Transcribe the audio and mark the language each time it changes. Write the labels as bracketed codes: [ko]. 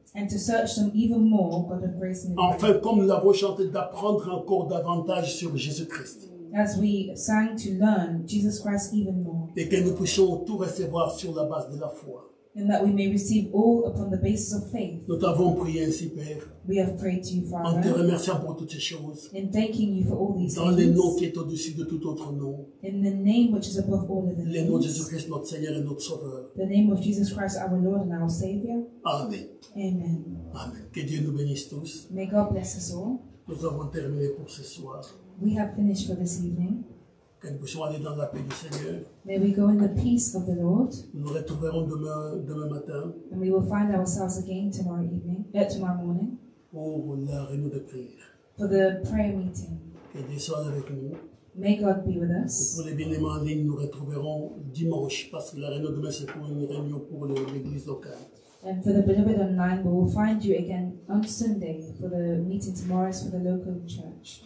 [en] And to search them even more, God of grace. [fr] Enfin, comme nous l'avons chanté, d'apprendre encore davantage sur Jésus-Christ. [en] As we sang to learn Jesus Christ even more. [fr] Et que nous puissions tout recevoir sur la base de la foi. [en] And that we may receive all upon the basis of faith. [fr] Nous t'avons prié ainsi, Père. [en] We have prayed to you, Father. [fr] En te remerciant pour toutes ces choses. [en] And thanking you for all these [fr] dans [en] things. [fr] Dans le nom qui est au-dessus de tout autre nom. [en] In the name which is above all other names. [fr] Le nom de Jésus-Christ, notre Seigneur et notre Sauveur. [en] The name of Jesus Christ, our Lord and our Savior. [fr] Amen. [en] Amen. [fr] Amen. Que Dieu nous bénisse tous. [en] May God bless us all. [fr] Nous avons terminé pour ce soir. [en] We have finished for this evening. [fr] Que nous puissions aller dans la paix du Seigneur. [en] May we go in the peace of the Lord. [fr] Nous nous retrouverons demain matin. [en] And we will find ourselves again tomorrow morning. [fr] Pour la réunion de prière. [en] For the prayer meeting. [fr] Que Dieu soit avec nous. [en] May God be with us. [fr] Et pour les bien-aimés en ligne, nous retrouverons dimanche parce que la réunion demain c'est pour une réunion pour l'église locale. [en] And for the beloved online, we will find you again on Sunday for the meeting tomorrow is for the local church.